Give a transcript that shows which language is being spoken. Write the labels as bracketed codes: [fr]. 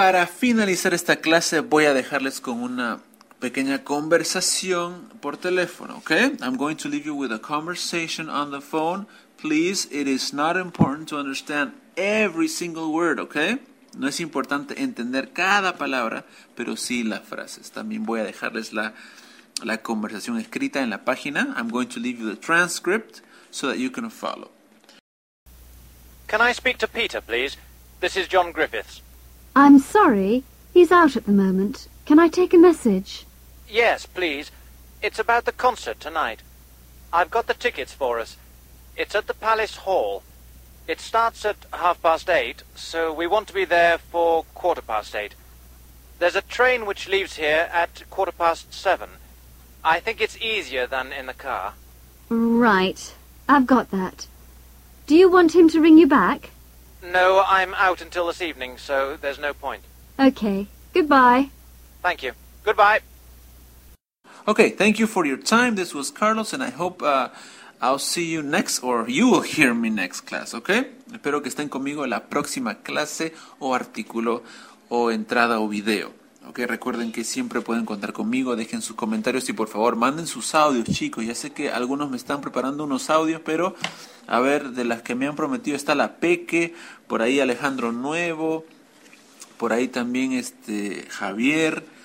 [es] Para finalizar esta clase, voy a dejarles con una pequeña conversación por teléfono, ¿ok? [en] I'm going to leave you with a conversation on the phone. Please, it is not important to understand every single word, ¿ok? [es] No es importante entender cada palabra, pero sí las frases. También voy a dejarles la conversación escrita en la página. [en] I'm going to leave you the transcript so that you can follow. Can I speak to Peter, please? This is John Griffiths. I'm sorry, he's out at the moment. Can I take a message? Yes, please. It's about the concert tonight. I've got the tickets for us. It's at the Palace Hall. It starts at 8:30, so we want to be there for 8:15. There's a train which leaves here at 7:15. I think it's easier than in the car. Right. I've got that. Do you want him to ring you back? No, I'm out until this evening, so there's no point. Okay. Goodbye. Thank you. Goodbye. Okay, thank you for your time. This was Carlos, and I hope I'll see you next, or you will hear me next class, okay? [es] Espero que estén conmigo en la próxima clase, o artículo, o entrada, o video. Okay, recuerden que siempre pueden contar conmigo, dejen sus comentarios y por favor manden sus audios, chicos. Ya sé que algunos me están preparando unos audios, pero a ver, de las que me han prometido está la Peque, por ahí Alejandro Nuevo, por ahí también Javier.